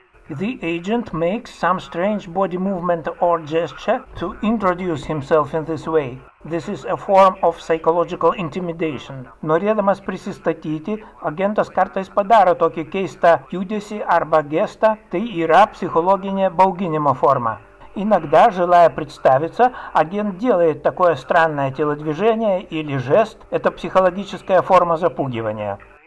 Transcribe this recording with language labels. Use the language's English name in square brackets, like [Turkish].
[English] The agent makes some strange body movement or gesture to introduce himself in this way. This is a form of psychological intimidation. [Lithuanian] Norėdamas prisistatyti, agentas kartais padaro tokį keistą judesį arba gestą, tai yra psichologinė bauginimo forma. [Russian] Иногда, желая представиться, агент делает такое странное телодвижение или жест, это психологическая форма запугивания.